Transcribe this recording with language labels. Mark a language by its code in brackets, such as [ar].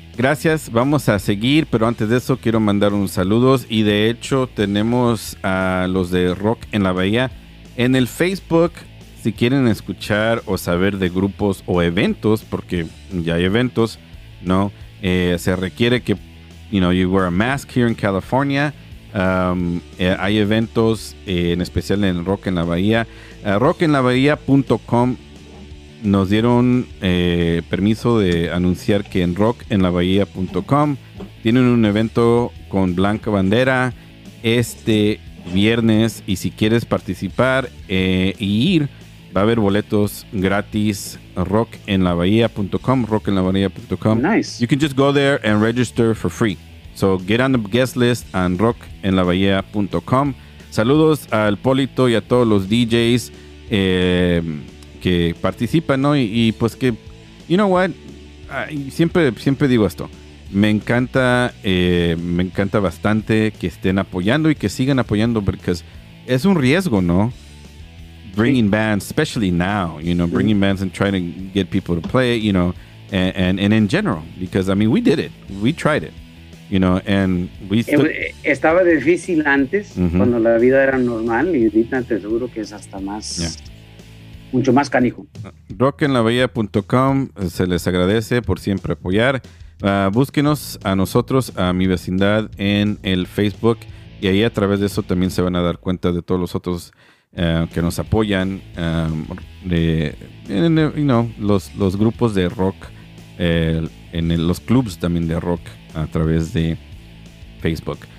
[es] Gracias, vamos a seguir, pero antes de eso quiero mandar unos saludos, y de hecho tenemos a los de Rock en la Bahía en el Facebook, si quieren escuchar o saber de grupos o eventos, porque ya hay eventos, ¿no? Se requiere que, [en] you know, you wear a mask here in California. [es] Hay eventos en especial en Rock en la Bahía. Rockenlabahía.com nos dieron permiso de anunciar que en rockenlabahía.com tienen un evento con Blanca Bandera este viernes, y si quieres participar y ir, va a haber boletos gratis. rockenlabahía.com, rockenlabahía.com. [en] Nice. You can just go there and register for free. So get on the guest list on rockenlabahía.com. [es] Saludos al Polito y a todos los DJs que participan, ¿no? Y pues que, [en] you know what, [es] siempre digo esto, me encanta bastante que estén apoyando y que sigan apoyando, porque es un riesgo, ¿no? [en] Bringing bands, especially now, you know, bringing bands and trying to get people to play, you know, and in general, because, I mean, we did it, we tried it, you know, and we still... [es] Estaba difícil antes, mm-hmm. cuando la vida era normal, y ahorita te aseguro que es hasta más... Yeah. Mucho más canijo. Rockenlabahía.com, se les agradece por siempre apoyar. Búsquenos a nosotros, a Mi Vecindad, en el Facebook, y ahí a través de eso también se van a dar cuenta de todos los otros que nos apoyan, los grupos de rock, los clubs también de rock a través de Facebook.